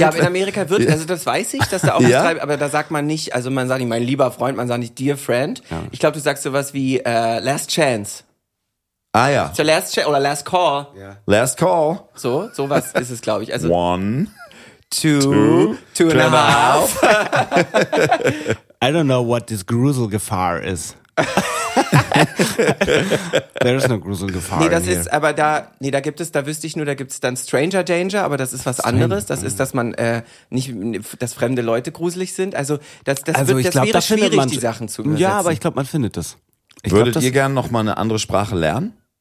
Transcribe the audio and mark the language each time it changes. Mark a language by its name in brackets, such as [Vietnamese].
[German] Ja, aber in Amerika wird, also das weiß ich, dass da auch bis drei, aber da sagt man nicht, also man sagt nicht mein lieber Freund, man sagt nicht [English] dear friend. [German] Ja. Ich glaube, du sagst sowas wie [English] last chance. [German] Ah ja. [English] So last chance oder last call. Yeah. Last call. [German] So, sowas ist es, glaube ich. Also, [English] one. Two and a half. I don't know what this Gruselgefahr is. There is no Gruselgefahr. [German] Nee, das ist aber da wüsste ich nur, da gibt's dann [English] Stranger Danger, [German] aber das ist was anderes. Das ist, dass man nicht, dass fremde Leute gruselig sind. Also das wäre schwierig, man, die Sachen zu übersetzen. Ja, aber ich glaube, man findet das. Würdet ihr gerne nochmal eine andere Sprache lernen?